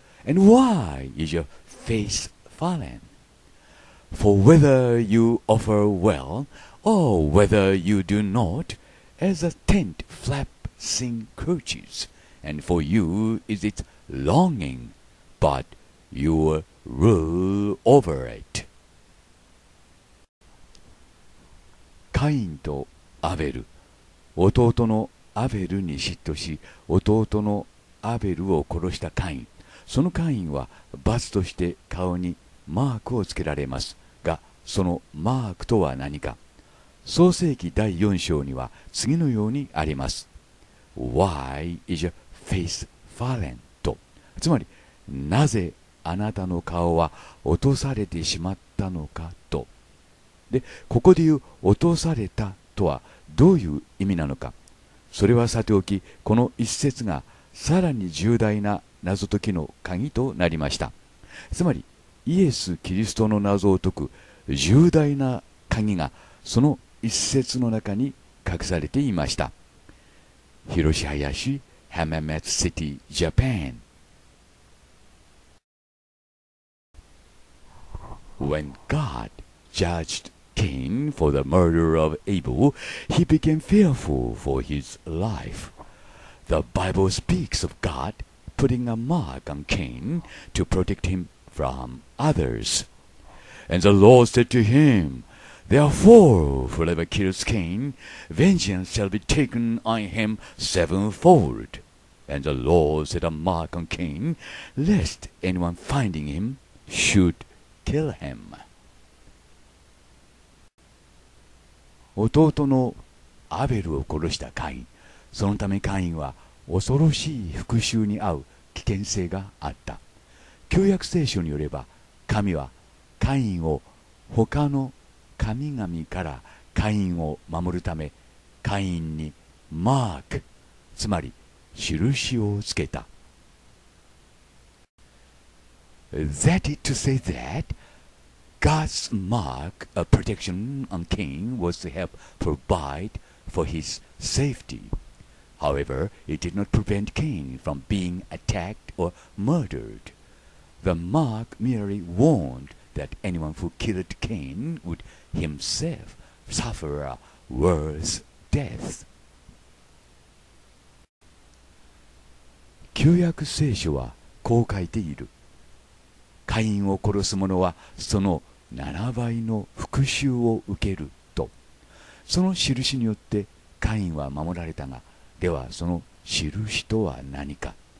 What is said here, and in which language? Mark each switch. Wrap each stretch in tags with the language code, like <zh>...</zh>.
<en>And why is your face fallen? For whether you offer well, or whether you do not, as a tent flaps and crouches, and for you is its longing, but you rule over it.</en> <ja>カインとアベル、弟のアベルに嫉妬し、弟のアベルを殺したカイン。そのカインは罰として顔にマークをつけられます。が、そのマークとは何か。創世記第4章には次のようにあります。</ja> <en>Why is your face fallen? と。</en> <ja>つまり、なぜあなたの顔は落とされてしまったのかと。で、ここで言う落とされたとはどういう意味なのか。それはさておき、この一節がさらに重大な謎解きの鍵となりました。つまり、イエス・キリストの謎を解く重大な鍵がその一節の中に隠されていました。広林、浜松シティ、ジャパン。</ja> <en>When God judged Cain for the murder of Abel, he became fearful for his life. The Bible speaks of God putting a mark on Cain to protect him from others. And the Lord said to him,Therefore, whoever kills Cain, vengeance shall be taken on him sevenfold. And the Lord set a mark on Cain, lest anyone finding him should kill him.</en> <ja>弟のアベルを殺したカイン。そのためカインは恐ろしい復讐に遭う危険性があった。旧約聖書によれば、神はカインを他の神々からカインを守るためカインにマーク、つまり印をつけた。</ja> <en>That is to say that God's mark of protection on Cain was to help provide for his safety. However, it did not prevent Cain from being attacked or murdered. The mark merely warned that anyone who killed Cain wouldHimself suffer a worse death.</en> <ja>旧約聖書はこう書いている。カインを殺す者はその7倍の復讐を受けると。その印によってカインは守られたが、ではその印とは何か。</ja>